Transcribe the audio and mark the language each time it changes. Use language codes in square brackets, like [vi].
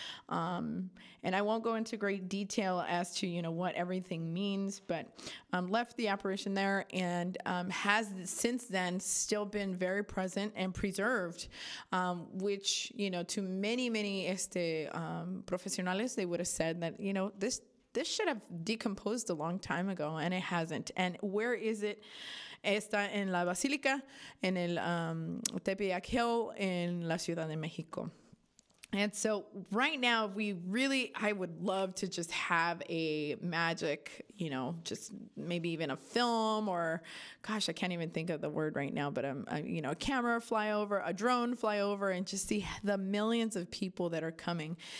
[en] And I won't go into great detail as to, you know, what everything means, but left the apparition there and has since then still been very present and preserved, which, you know, to many, many profesionales, they would have said that, you know, this should have decomposed a long time ago, and it hasn't. And where is it? [es] Está en la Basílica, en el Tepeyac Hill, en la Ciudad de México. [en] And so right now, we really, I would love to just have a magic, you know, just maybe even a film or, gosh, I can't even think of the word right now, but a camera fly over, a drone fly over, and just see the millions of people that are coming.